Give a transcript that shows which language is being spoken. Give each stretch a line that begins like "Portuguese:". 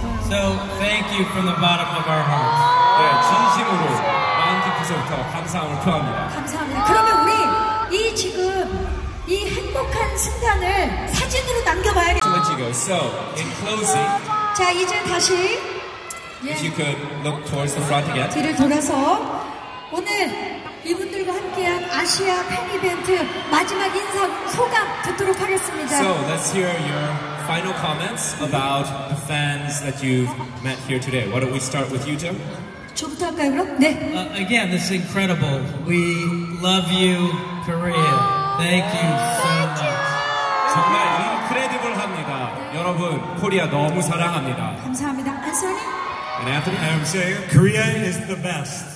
English: So thank you from the bottom of our hearts.
Korean: 네, 진심으로 마음 깊이서부터 감사함을 표합니다. 감사합니다. 그러면 우리 이 지금 이 행복한 순간을 사진으로 남겨봐야겠죠.
English: So in closing,
Korean: 자 이제 다시
English: if you could look towards the front again.
Korean: 뒤를 돌아서 오늘 이분들과 함께한 아시아 팬 이벤트 마지막 인사 소감 듣도록 하겠습니다.
English: So let's hear your final comments about the fans that you've met here today. Why don't we start with you, Jim?
Korean: 저부터 할까요, 그럼? 네.
English: Again, this is incredible. We love you, Korea. Thank you so much.
Korean: 정말 incredible합니다. 여러분, 코리아 너무 사랑합니다. 감사합니다.
English: Anthony? And Anthony, I'm saying Korea is the best.